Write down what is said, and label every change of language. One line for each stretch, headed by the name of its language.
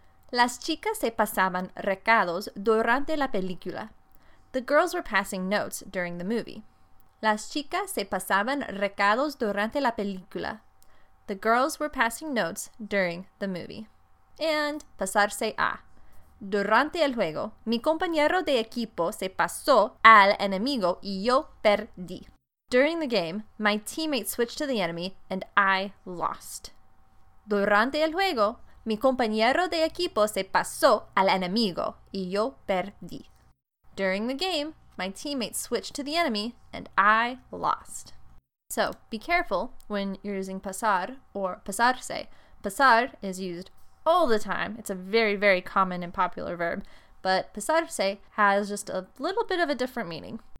Spanish: Las chicas se pasaban recados durante la película.
English: The girls were passing notes during the movie.
Spanish: Las chicas se pasaban recados durante la película.
English: The girls were passing notes during the movie. And pasarse a.
Spanish: Durante el juego, mi compañero de equipo se pasó al enemigo y yo perdí.
English: During the game, my teammate switched to the enemy and I lost.
Spanish: Durante el juego, mi compañero de equipo se pasó al enemigo y yo perdí.
English: During the game, my teammate switched to the enemy, and I lost. So, be careful when you're using pasar or pasarse. Pasar is used all the time. It's a very, very common and popular verb. But pasarse has just a little bit of a different meaning.